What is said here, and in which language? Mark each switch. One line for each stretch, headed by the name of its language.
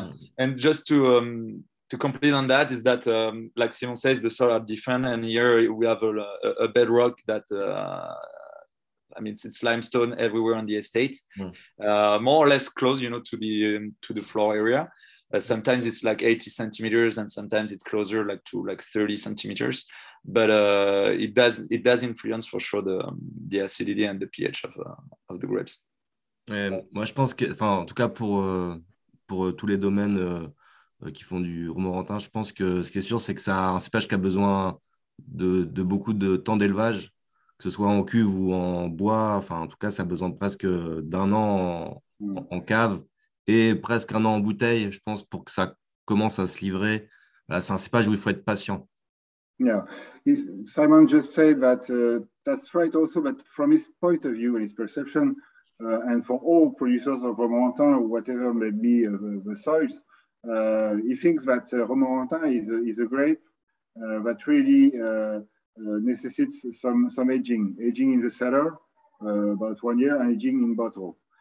English: Yeah, and just to complete on that is that like Simon says, the soil are different, and here we have a bedrock that it's limestone everywhere on the estate, more or less close, to the floor area. Sometimes it's like 80 centimeters, and sometimes it's closer, like to like 30 centimeters. But it does influence for sure the acidity and the pH of the grapes.
French: Moi, je pense que, enfin, en tout cas pour tous les domaines qui font du Romorantin, je pense que ce qui est sûr, c'est que ça a un cépage qui a besoin de beaucoup de temps d'élevage, que ce soit en cuve ou en bois. Enfin, en tout cas, ça a besoin presque d'un an en cave. Et presque un an en bouteille, je pense, pour que ça commence à se livrer. Là, c'est un cépage où il faut être patient.
English: Yeah, Simon just said that that's right also, but from his point of view and his perception, and for all producers of Romorantin, whatever may be the soils, he thinks that Romorantin is a grape that really necessitates some aging in the cellar, about 1 year, and aging in bottle.